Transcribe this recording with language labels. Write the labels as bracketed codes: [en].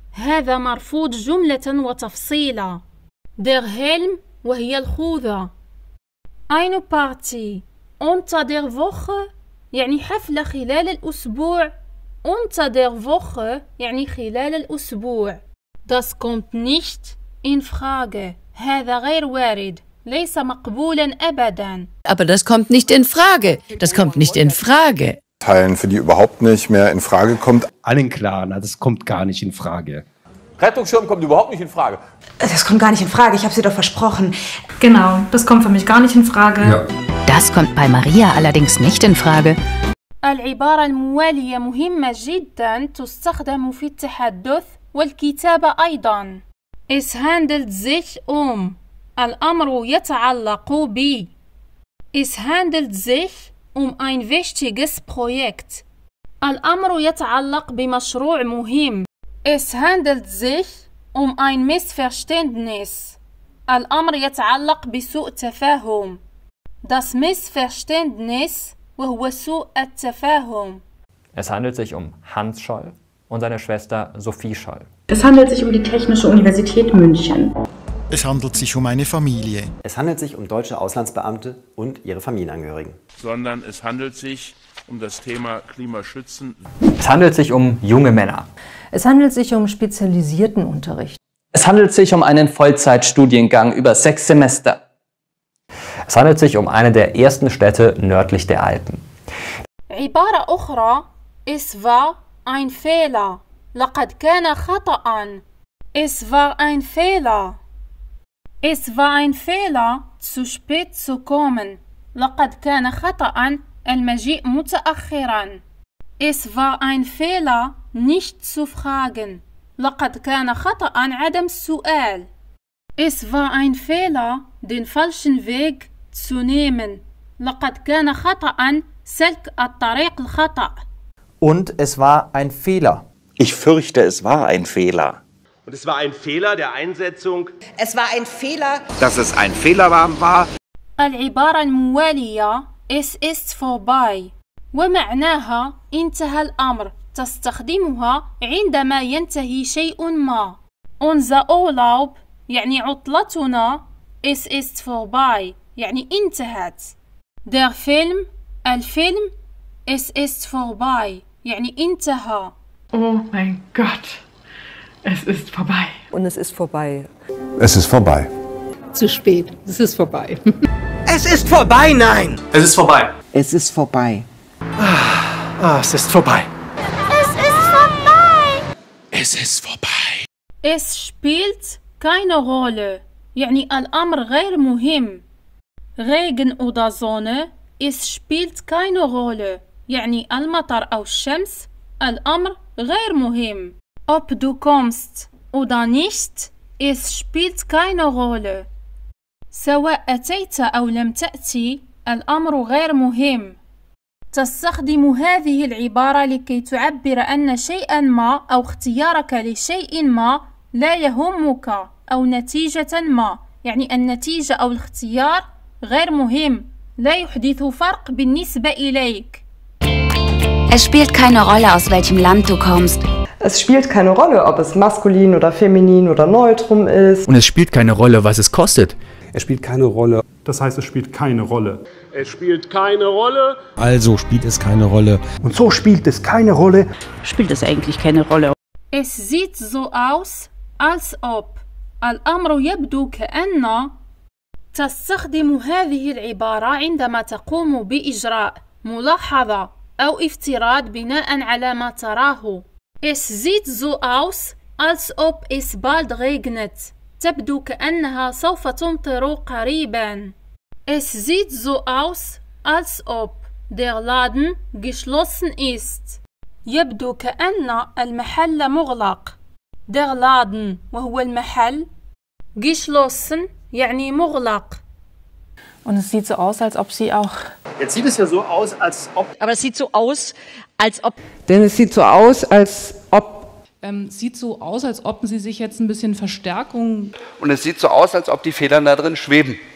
[ar] هذا مرفوض جملة وتفصيلاً. Der Helm وهي الخوذة. [de] Eine Party unter der Woche؟ [ar] يعني حفلة خلال الأسبوع. [de] Unter der Woche [ar] يعني خلال الأسبوع. [de] Das kommt nicht in Frage. [ar] هذا غير وارد. ليس مقبولا أبدا. [de] Aber das kommt nicht in Frage. Das kommt nicht in Frage. Teilen, für die überhaupt nicht mehr in Frage kommt. Allen klar, na, das kommt gar nicht in Frage. Rettungsschirm kommt überhaupt nicht in Frage. Das kommt gar nicht in Frage. Ich habe sie doch versprochen. Genau, das kommt für mich gar nicht in Frage. Ja. Das kommt bei Maria allerdings nicht in Frage. [ar] العبارة الموالية مهمة جدا تستخدم في التحدث والكتابة أيضا. [de] Es handelt sich um. [ar] الأمر يتعلق ب. [de] Es handelt sich um ein wichtiges Projekt. [ar] الأمر يتعلق بمشروع مهم. [de] Es handelt sich um ein Missverständnis. [ar] الأمر يتعلق بسوء تفاهم. Das Missverständnis, وهو سوء التفاهم. [de] Es handelt sich um Hans Scholl und seine Schwester Sophie Scholl. Es handelt sich um die Technische Universität München. Es handelt sich um eine Familie. Es handelt sich um deutsche Auslandsbeamte und ihre Familienangehörigen. Sondern es handelt sich um das Thema Klimaschützen. Es handelt sich um junge Männer. Es handelt sich um spezialisierten Unterricht. Es handelt sich um einen Vollzeitstudiengang über 6 Semester. Es handelt sich um eine der ersten Städte nördlich der Alpen. [ar] عبارة أخرى, [de] es war ein Fehler. [ar] لقد كان خطأً. [de] Es war ein Fehler. Es war ein Fehler, zu spät zu kommen. [ar] لقد كان خطأً المجيء متأخراً. [de] Es war ein Fehler, nicht zu fragen. [ar] لقد كان خطأً عدم السؤال. [de] Es war ein Fehler, den falschen Weg zu nehmen. [ar] لقد كان خطأً سلك الطريق الخطأ. [de] Und es war ein Fehler. Ich fürchte, es war ein Fehler. Und es war ein Fehler der Einsetzung. Es war ein Fehler, dass es ein Fehler war. [ar] العبارة الموالية, [de] es ist vorbei. [ar] ومعناها انتهى الأمر. تستخدمها عندما ينتهي شيء ما. [de] Unser Urlaub, [ar] يعني عطلتنا, [de] es ist vorbei, [ar] يعني انتهت. [de] Der Film, الفيلم, es ist vorbei, [ar] يعني انتهى. [de] Oh mein Gott, es ist vorbei. Und es ist vorbei. Es ist vorbei. Zu spät, es ist vorbei. Es ist vorbei, nein! Es ist vorbei. Es ist vorbei. Ah, es ist vorbei. Es ist vorbei. Es ist vorbei. Es spielt keine Rolle. [ar] يعني الأمر غير مهم. [de] Regen oder Sonne, es spielt keine Rolle. [ar] يعني المطر أو الشمس, الأمر غير مهم. [de] Ob du kommst oder nicht, es spielt keine Rolle. [ar] سواء أتيت أو لم تأتي, الأمر غير مهم. تستخدم هذه العبارة لكي تعبر أن شيئا ما أو اختيارك لشيء ما لا يهمك أو نتيجة ما. يعني النتيجة أو الاختيار غير مهم. لا يحدث فرق بالنسبة إليك. [de] Es spielt keine Rolle, aus welchem Land du kommst. Es spielt keine Rolle, ob es maskulin oder feminin oder neutrum ist. Und es spielt keine Rolle, was es kostet. Es spielt keine Rolle. Das heißt, es spielt keine Rolle. Es spielt keine Rolle. Also spielt es keine Rolle. Und so spielt es keine Rolle. Spielt es eigentlich keine Rolle. Es sieht so aus, als ob. [ar] الأمر يبدو كأن. تستخدم هذه العبارة عندما تقوم بإجراء ملاحظة أو افتراض بناء على ما تراه. [de] Es sieht so aus, als ob es bald regnet. [ar] تبدو كأنها سوف تمطر قريبا. [de] Es sieht so aus, als ob der Laden geschlossen ist. [ar] يبدو كأن المحل مغلق. Der Laden, وهو المحل. Geschlossen, يعني مغلق. [de] Und es sieht so aus, als ob sie auch... Jetzt sieht es ja so aus, als ob... Aber es sieht so aus, als ob... Denn es sieht so aus, als ob... Sieht so aus, als ob sie sich jetzt ein bisschen Verstärkung... Und es sieht so aus, als ob die Federn da drin schweben.